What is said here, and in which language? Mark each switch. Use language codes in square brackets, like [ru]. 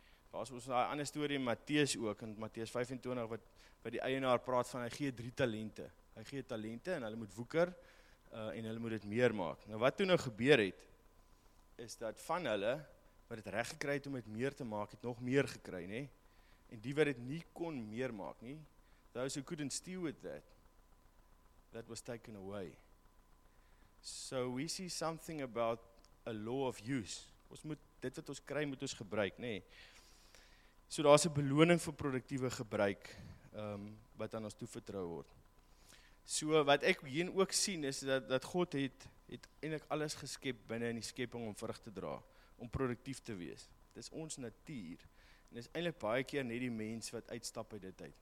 [af] Daar is ons in die ander story in Matteus ook, in Matteus 25, wat die eienaar praat van, hy gee 3 talente. Hy gee talente en hulle moet woeker, en hulle moet het meer maak. Nou wat toe nou gebeur het, is dat van hulle, wat het recht gekry het om het meer te maak, het nog meer gekry, nie? En die wat het nie kon meer maak, nie? [en] Those who couldn't steal with that was taken away. So we see something about a law of use. [af] Ons moet dit wat ons kry moet ons gebruik, nê. Nee. So daar's 'n beloning vir produktiewe gebruik wat aan ons toevertrou word. So wat ek hierin ook sien is dat God het eintlik alles geskep binne in die skepping om vrug te dra, om produktief te wees. Dis ons natuur. En dis eintlik baie keer net die mens wat uitstap uit dit uit.